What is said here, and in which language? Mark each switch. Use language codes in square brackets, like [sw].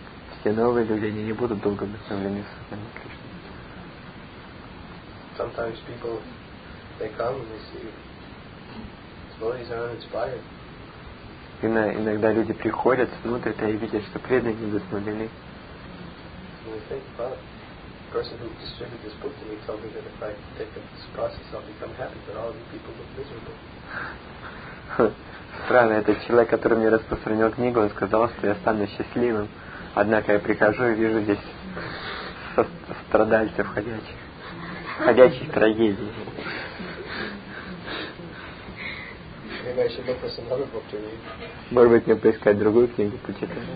[ru] Все новые люди, они не будут долго вдохновлены в сознании Кришны. [en] Sometimes people, they come and they see devotees are uninspired. [ru] Иногда люди приходят, смотрят и видят, что преданные не вдохновлены. [en] The person who distributed this book to me told me that if I take this process, I'll become happy, but all of you people look miserable. [ru] Странно, этот человек, который мне распространил книгу, он сказал, что я стану счастливым. Однако я прихожу и вижу здесь страдальцев ходячих, ходячих трагедий. [en] Maybe I should look for some other book to read. [ru] Может быть, мне поискать другую книгу почитать.